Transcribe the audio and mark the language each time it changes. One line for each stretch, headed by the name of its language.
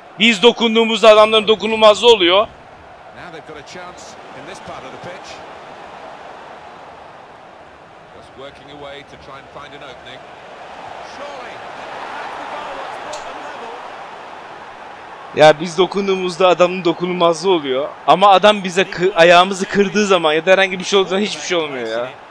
Turkish: Biz dokunduğumuzda adamların dokunulmazlığı oluyor.
English: Now they've got a chance in this part of the pitch. Just working away to try and find an opening. Surely.
Turkish: Ya biz dokunduğumuzda adamın dokunulmazlığı oluyor. Ama adam bize ayağımızı kırdığı zaman ya da herhangi bir şey olduğu zaman hiçbir şey olmuyor ya.